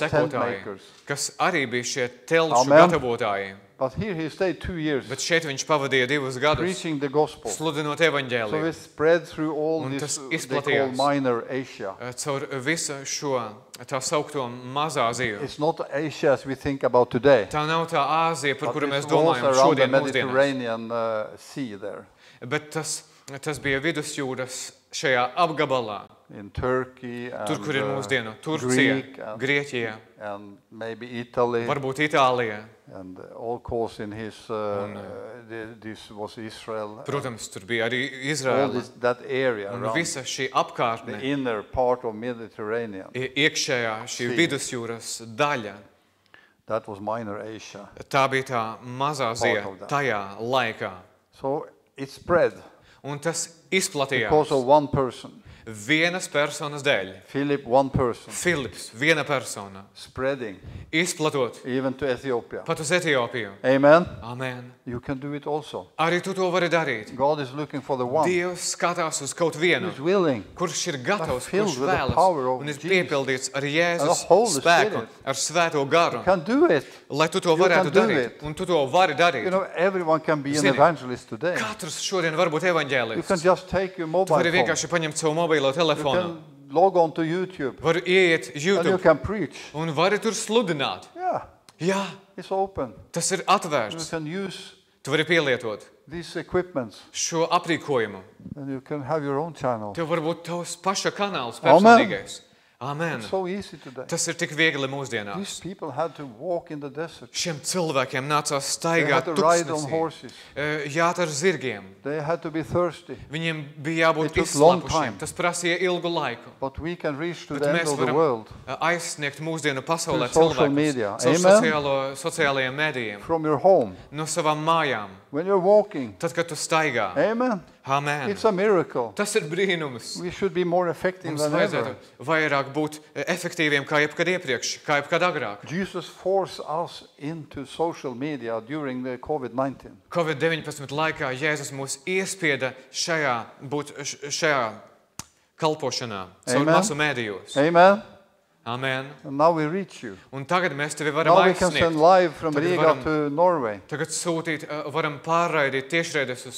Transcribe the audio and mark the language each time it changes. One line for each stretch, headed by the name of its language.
Latvian: sekotāji,
English: tent
Latvian: kas arī bija šie telšu Amen. Gatavotāji.
English: But here he stayed 2 years.
Latvian: Bet šeit viņš pavadīja 2 gadus.
English: Preaching the gospel.
Latvian: Sludinot evaņģēliju.
English: So it spread through all
Latvian: Un
English: this they call minor Asia.
Latvian: Caur visu šo tā saukto mazā Aziju.
English: It's not Asia as we think about today.
Latvian: Tā nav tā Āzija, par
English: But
Latvian: kuru mēs domājam šodien mūsdienās.
English: But it was around the Mediterranean sea there.
Latvian: Bet tas bija Vidusjūras šajā apgabalā.
English: In Turkey and
Latvian: tur, kur ir mūsdienu, Turcija, Grieķija.
English: And maybe Italy.
Latvian: Varbūt Itālija.
English: And all course in his this was Israel.
Latvian: Protams, tur bija arī Izraela.
English: All this, that area
Latvian: un visa šī apkārtne.
English: The inner part of Mediterranean.
Latvian: Iekšējā šī vidusjūras daļa.
English: That was minor Asia.
Latvian: Tā bija tā mazā Azija tajā laikā.
English: So it spread.
Latvian: Un tas izplatījās.
English: Because of one person.
Latvian: Vienas personas dēļ.
English: Philip one person.
Latvian: Philips, viena persona.
English: Spreading.
Latvian: Izplatot.
English: Even to Ethiopia.
Latvian: Pat uz Etiopiju. Amen. Amen.
English: You can do it also.
Latvian: Arī tu to vari darīt.
English: God is looking for the one.
Latvian: Dievs skatās uz kaut vienu.
English: He is willing.
Latvian: Kurš ir gatavs, kurš vēlas. Un ir piepildīts ar Jēzus spēku, ar Svēto Garu.
English: You can do it.
Latvian: Lai tu to varētu darīt. Un tu to vari darīt.
English: You know, everyone can be an evangelist today.
Latvian: Katrs šodien var būt evaņģēlists.
English: You can just take your mobile phone.
Latvian: Tu vari vienkārši paņemt savu mobilo.
English: You can log on to YouTube.
Latvian: Var ieiet YouTube.
English: And you can preach.
Latvian: Un vari tur sludināt. Jā.
English: It's open.
Latvian: Tas ir atvērts.
English: You can use.
Latvian: Tu vari pielietot.
English: These equipments.
Latvian: Šo aprīkojumu.
English: And you can have your own channel.
Latvian: Tev var būt tavs paša kanāls personīgais. Amen.
English: It's so easy today.
Latvian: Tas ir tik viegli mūsdienās.
English: These people had to walk in the desert.
Latvian: Šiem cilvēkiem nācās staigāt tuksnesī. Jāt ar zirgiem.
English: They had to be thirsty.
Latvian: Viņiem bija jābūt izslapušiem. Tas prasīja ilgu laiku.
English: But we can reach to
Latvian: Bet
English: the end of the world.
Latvian: Mēs varam aizsniegt mūsdienu pasaulē cilvēkus. Amen. Sociālajiem medijiem.
English: From your home.
Latvian: No savām mājām.
English: When you're walking.
Latvian: Tad, kad tu staigā. Amen. Amen.
English: It's a miracle.
Latvian: Tas ir brīnums.
English: We should be more effective than ever.
Latvian: Vairāk būt efektīviem kā jebkad iepriekš, kā jebkad agrāk.
English: Jesus forced us into social media during the COVID-19.
Latvian: COVID-19 laikā Jēzus mūs iespieda šajā būt šajā kalpošanā, caur masu medijos. Amen. Amen.
English: And now we reach you.
Latvian: Un tagad mēs tevi varam
English: now
Latvian: aizsniegt.
English: We can send live from Riga to Norway.
Latvian: Tagad sūtīt, varam pārraidīt tiešraides uz